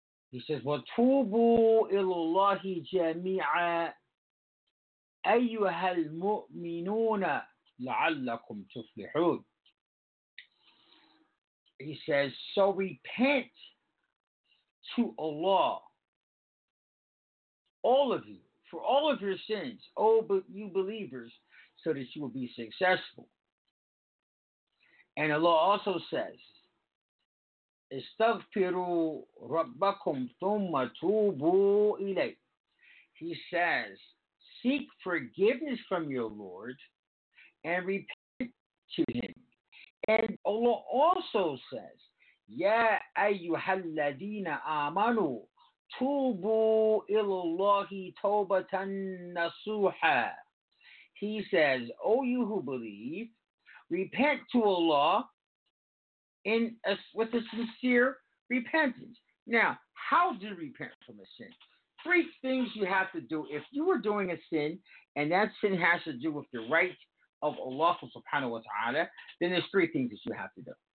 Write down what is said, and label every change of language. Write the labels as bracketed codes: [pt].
[en] He says, [ar] وَتُوبُوا إِلَى اللَّهِ جَمِيعًا أَيُّهَا الْمُؤْمِنُونَ لَعَلَّكُمْ تُفْلِحُونَ. [en] He says, so repent to Allah, all of you, for all of your sins, you believers, so that you will be successful. And Allah also says, [ar] استغفروا ربكم ثم توبوا إليه. [en] He says, seek forgiveness from your Lord and repent to him. And Allah also says, [ar] يَا أَيُّهَا الَّذِينَ آمَنُوا تُوبُوا إِلَى اللَّهِ تَوْبَةً نَصُوحًا. [en] He says, O you who believe, repent to Allah with a sincere repentance. Now, how do you repent from a sin? Three things you have to do. If you are doing a sin, and that sin has to do with the right of Allah subhanahu wa ta'ala, then there's three things that you have to do.